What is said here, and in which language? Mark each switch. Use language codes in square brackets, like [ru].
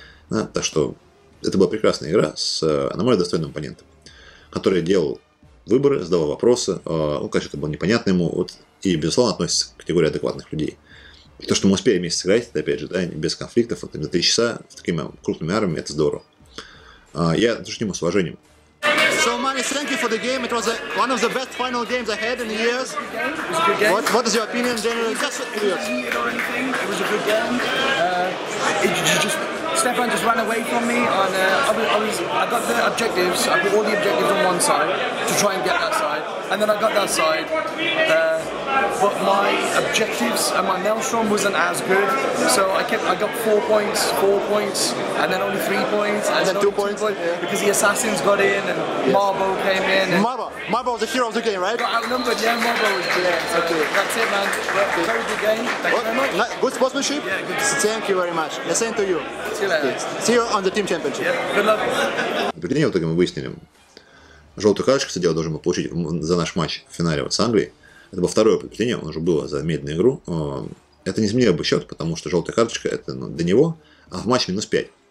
[ru] Да, так что это была прекрасная игра с, на мой взгляд, достойным оппонентом, который делал выборы, задавал вопросы, ну, конечно, это было непонятно ему, вот, и, безусловно, относится к категории адекватных людей. И то, что мы успели вместе сыграть, это, опять же, да, без конфликтов, это на 3 часа с такими крупными армиями, это здорово. Я отношусь к нему с уважением. [en] So, Manis, thank you for the game. It was one of the best final games I had in years. What is your opinion, generally? It was a good game. Stefan just ran away from me. I got the objectives. I put all the objectives on one side to try and get that side. And then I got that side. But my objectives and my maelstrom wasn't as good, so I got four points, and then only 3 points, and then two points. Yeah. Because the assassins got in, and yes. Marbo came in. Marbo was the hero of the game, right? Got outnumbered, yeah, Marbo was good. Yeah, so okay. That's it, man. Okay. Very good game. Thank you very much. Good sportsmanship? Yeah, good. Thank you very much. The same to you. See you on the team championship. Yeah. Good luck. [ru] Впечатление в итоге мы выяснили. Желтую карточку, кстати, должен был получить за наш матч в финале вот с Англией. Это было второе предупреждение, он уже был за медленную игру. Это не изменило бы счет, потому что желтая карточка это ну, до него, а в матче минус 5.